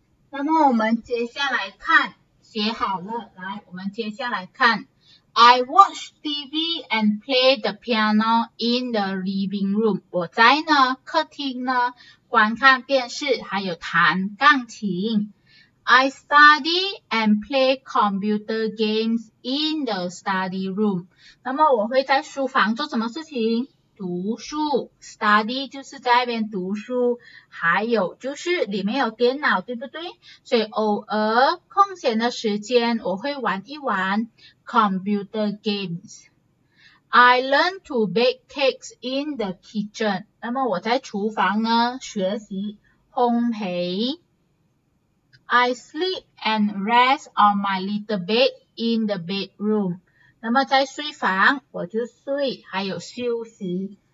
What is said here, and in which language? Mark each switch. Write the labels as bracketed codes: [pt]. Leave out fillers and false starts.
[zh] 那么我们接下来看，写好了，来，我们接下来看。 [en] I watch TV and play the piano in the living room. [zh] 我在呢，客厅呢，观看电视，还有弹钢琴。 [en] I study and play computer games in the study room. [zh] 那么我会在书房做什么事情？读书 ，study 就是在那边读书，还有就是里面有电脑，对不对？所以偶尔空闲的时间，我会玩一玩 computer games。 [en] I learn to bake cakes in the kitchen。 [zh] 那么我在厨房呢学习烘焙。 [en] I sleep and rest on my little bed in the bedroom。 [zh] 那么在睡房我就睡，还有休息。